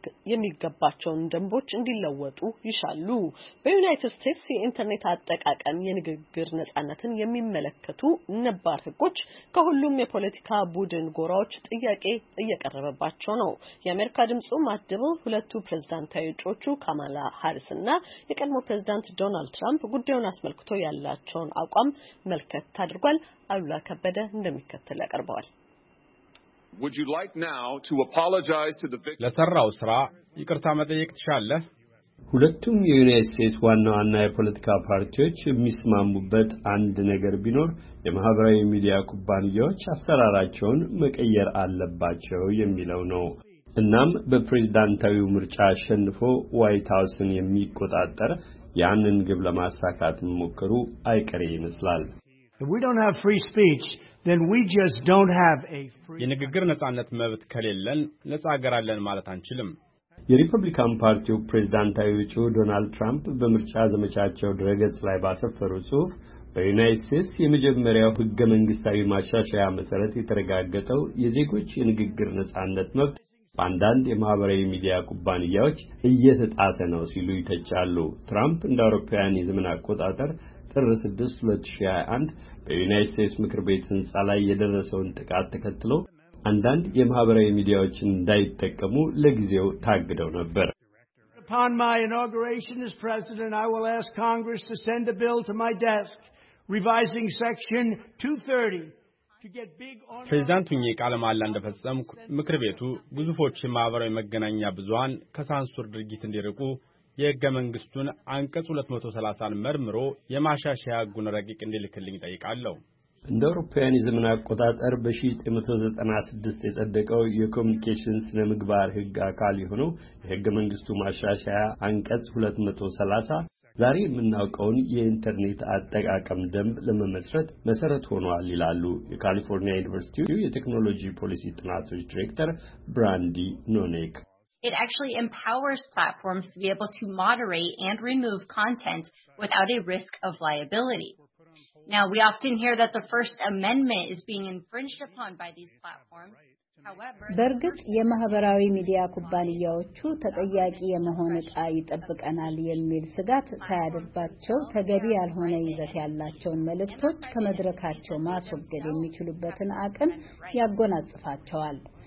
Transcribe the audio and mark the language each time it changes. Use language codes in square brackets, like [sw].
[am] የሚገባቸውን ደንቦች እንዲለወጡ ይሻሉ። በዩናይትድ ስቴትስ የኢንተርኔት አጠቃቀም የንግግር ነጻነትን የሚመለከቱ ነባር ህጎች ከሁሉም የፖለቲካ ቡድን ጎራዎች ጥያቄ እየቀረበባቸው ነው። የአሜሪካ ድምጽ ማድብል ሁለቱ ፕሬዝዳንታዊ እጩዎቹ ካማላ ሃሪስና የቀድሞ ፕሬዝዳንት ዶናልድ ትራምፕ ጉዳዩን አስመልክቶ ያላቸውን አቋም መልከት ታድርጓል። አሉላ ከበደ እንደሚከተል ያቀርባል። [en] Would you like now to apologize to the victim? [am] ለሰራው ስራ ይቅርታ መጠየቅ ትሻለህ? ሁለቱም የዩናይትድ ስቴትስ ዋና ዋና የፖለቲካ ፓርቲዎች የሚስማሙበት አንድ ነገር ቢኖር የማህበራዊ ሚዲያ ኩባንያዎች አሰራራቸውን መቀየር አለባቸው የሚለው ነው። እናም በፕሬዝዳንታዊ ምርጫ አሸንፎ ዋይት ሃውስን የሚቆጣጠር ያንን ግብ ለማሳካት መሞከሩ አይቀሬ ይመስላል። [en] If we don't have free speech, then we just don't have a free [am] የንግግር ነጻነት መብት ከሌለን ነጻ ሀገር አለን ማለት አንችልም። የሪፐብሊካን ፓርቲው ፕሬዝዳንታዊ እጩ ዶናልድ ትራምፕ በምርጫ ዘመቻቸው ድረገጽ ላይ ባሰፈሩት ጽሑፍ በዩናይትድ ስቴትስ የመጀመሪያው ህገ መንግስታዊ ማሻሻያ መሰረት የተረጋገጠው የዜጎች የንግግር ነጻነት መብት አንዳንድ የማህበራዊ ሚዲያ ኩባንያዎች እየተጣሰ ነው ሲሉ ይተቻሉ። ትራምፕ እንደ አውሮፓውያን የዘመን አቆጣጠር ጥር 6 2021 በዩናይትድ ስቴትስ ምክር ቤት ህንጻ ላይ የደረሰውን ጥቃት ተከትሎ አንዳንድ የማህበራዊ ሚዲያዎችን እንዳይጠቀሙ ለጊዜው ታግደው ነበር። [en] Upon my inauguration as president, I will ask Congress to send a bill to my desk revising section 230 to get big on [am] ፕሬዝዳንቱኝ ቃለ መሐላ እንደፈጸምኩ ምክር ቤቱ ግዙፎች የማህበራዊ መገናኛ ብዙሃን ከሳንሱር ድርጊት እንዲርቁ የህገ መንግስቱን አንቀጽ 230ን መርምሮ የማሻሻያ ህጉን ረቂቅ እንዲልክልኝ ጠይቃለሁ። እንደ አውሮፓውያን የዘመን አቆጣጠር በ1996 የጸደቀው የኮሙኒኬሽንስ ለምግባር ህግ አካል የሆነው የህገ መንግስቱ ማሻሻያ አንቀጽ 230 ዛሬ የምናውቀውን የኢንተርኔት አጠቃቀም ደንብ ለመመስረት መሰረት ሆኗል ይላሉ የካሊፎርኒያ ዩኒቨርሲቲ የቴክኖሎጂ ፖሊሲ ጥናቶች ዳይሬክተር ብራንዲ ኖኔክ። [en] It actually empowers platforms to be able to moderate and remove content without a risk of liability. Now, we often hear that the First Amendment is being infringed upon by these platforms. [am] በርግጥ የማህበራዊ ሚዲያ ኩባንያዎቹ ተጠያቂ የመሆን ጣ ይጠብቀናል የሚል ስጋት ታያደርባቸው ተገቢ ያልሆነ ይዘት ያላቸውን መልእክቶች ከመድረካቸው ማስወገድ የሚችሉበትን አቅም ያጎናጽፋቸዋል።